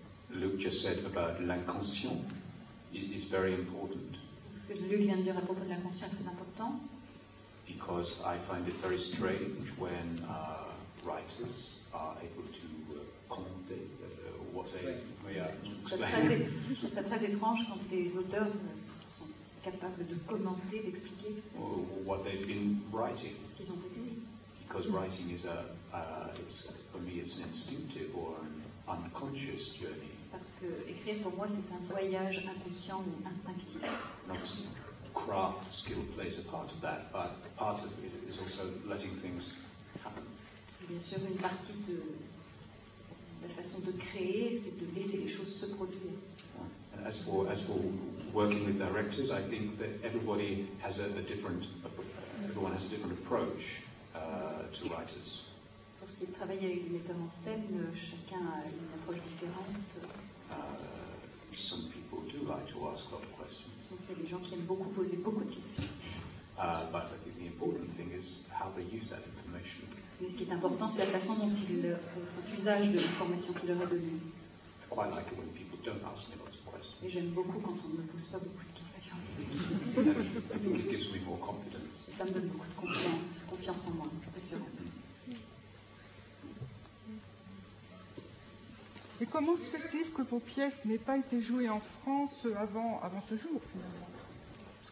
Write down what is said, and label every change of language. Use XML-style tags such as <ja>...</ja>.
<en>Luke just said about l'inconscient is very important.</en> <fr>Ce que Luke vient de dire à propos de l'inconscient est très important.</fr> <en>Because I find it very strange when writers are able to commenter what they may explain.</en> <fr>Je trouve ça très étrange quand des auteurs sont capables de commenter, d'expliquer</fr> <en>what they've been writing.</en> <fr>Ce qu'ils ont écrit.</fr> <en>Because writing is it's an instinctive or an unconscious journey.</en> <fr>Parce que écrire pour moi c'est un voyage inconscient ou instinctif.</fr> <en>Craft skill plays a part of that, but part of it is also letting things happen.</en> <fr>Bien sûr, une partie de la façon de créer, c'est de laisser les choses se produire.</fr> <en>And as for working with directors, I think that everybody has a different approach to writers.</en> <fr>Pour ce qui est de travailler avec des metteurs en scène, chacun a une approche différente.</fr> <en>Some people do like to ask a lot of questions.</en> <fr>Donc, il y a des gens qui aiment beaucoup poser beaucoup de questions.</fr> <en>But I think the important thing is how they use that information.</en> <fr>Mais ce qui est important, c'est la façon dont ils font usage de l'information qu'il leur a donnée.</fr> <en>I quite like it when people don't ask me lots of questions.</en> <fr>Et j'aime beaucoup quand on ne me pose pas beaucoup de questions.</fr> <en>I think it gives me more confidence.</en> <fr>Et ça me donne beaucoup de confiance en moi, assurance. Et comment se fait-il que vos pièces n'aient pas été jouées en France avant ce jour, finalement ?</fr>